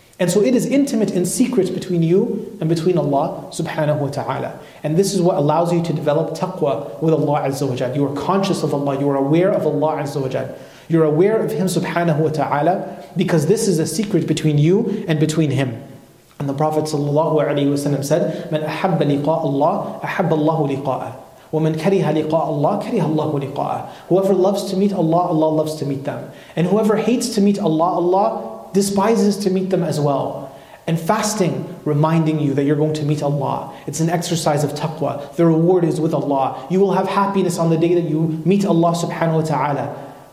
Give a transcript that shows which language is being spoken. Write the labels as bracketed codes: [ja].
[en] And so it is intimate and secret between you and between Allah subhanahu wa ta'ala. And this is what allows you to develop taqwa with Allah Azza wa Jalla. You are conscious of Allah, you are aware of Allah Azza wa Jalla. You're aware of Him subhanahu wa ta'ala because this is a secret between you and between Him. [ar] And the Prophet sallallahu alayhi wa sallam said, مَنْ أَحَبَّ لِقَاءَ اللَّهُ أَحَبَّ اللَّهُ لِقَاءَ وَمَنْ كَرِهَ لِقَاءَ اللَّهُ كَرِهَ اللَّهُ لِقَاءَ. [en] Whoever loves to meet Allah, Allah loves to meet them. And whoever hates to meet Allah, Allah despises to meet them as well. And fasting, reminding you that you're going to meet Allah. It's an exercise of taqwa. The reward is with Allah. You will have happiness on the day that you meet Allah subhanahu wa ta'ala.